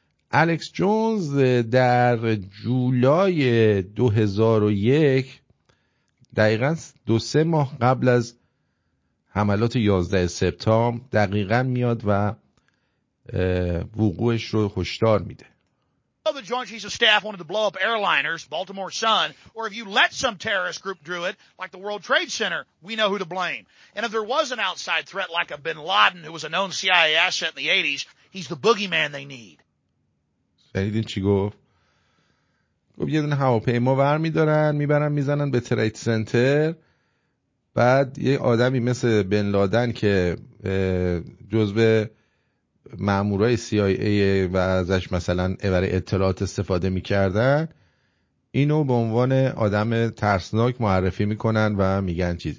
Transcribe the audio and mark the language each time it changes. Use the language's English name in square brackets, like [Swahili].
[Persian] الکس جونز در جولای 2001، دقیقا دو سه ماه قبل از حملات 11 سپتامبر، دقیقا میاد و وقوعش رو هشدار میده. [English] The Joint Chiefs of Staff wanted to blow up airliners, Baltimore Sun, or if you let some terrorist group do it, like the World Trade Center, we know who to blame. And if there was an outside threat like a Bin Laden, who was a known CIA asset in the 80s, he's the boogeyman they need. [Persian] شنیدین چی گفت؟ گفت یه دونه هواپیما ور میدارن، میبرن میزنن به ترید سنتر، بعد یه آدمی مثل بن لادن که جزء مامورای CIA و ازش مثلا برای اطلاعات استفاده میکردن، اینو به عنوان آدم ترسناک معرفی میکنن و میگن چیز.